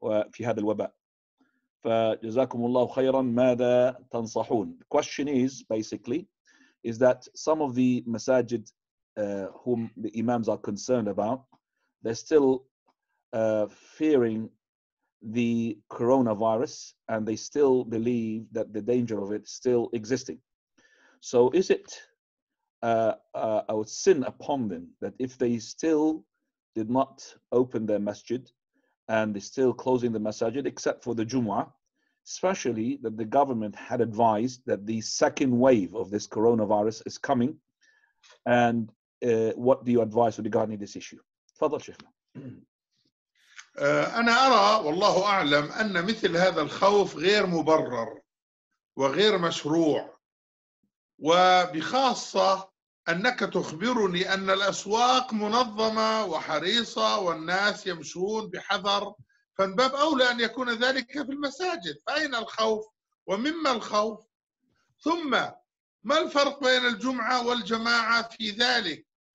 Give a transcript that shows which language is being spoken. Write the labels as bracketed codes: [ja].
[ar] في هذا الوباء, فجزاكم الله خيرا ماذا تنصحون؟ [en] The question is basically is that some of the masajid whom the imams are concerned about, they're still fearing the coronavirus and they still believe that the danger of it still existing. So is it I would sin upon them that if they still did not open their masjid and they're still closing the masjid except for the Jumu'ah, especially that the government had advised that the second wave of this coronavirus is coming, and what do you advise regarding this issue? [ar] Fadal Sheikh. أنا أرى والله أعلم أن مثل هذا الخوف غير مبرر وغير مشروع, وبخاصة أنك تخبرني أن الأسواق منظمة وحريصة والناس يمشون بحذر, فمن باب أولى أن يكون ذلك في المساجد, فأين الخوف ومما الخوف؟ ثم ما الفرق بين الجمعة والجماعة في ذلك؟